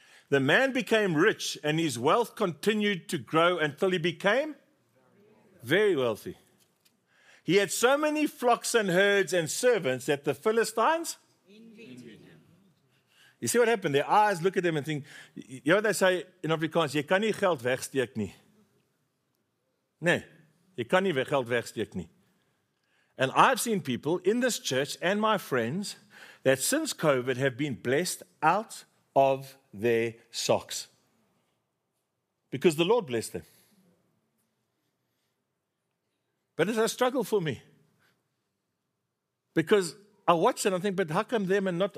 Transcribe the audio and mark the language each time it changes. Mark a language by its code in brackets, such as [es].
[en] The man became rich, and his wealth continued to grow until he became very wealthy. He had so many flocks and herds and servants that the Philistines envied him. You see what happened? Their eyes look at him and think, you know what they say in Afrikaans? [af] Jy kan nie geld wegsteek nie. Nee, jy kan nie geld wegsteek nie. [en] And I've seen people in this church and my friends that since COVID have been blessed out of their socks because the Lord blessed them. But it's a struggle for me because I watch it and I think, but how come them and not?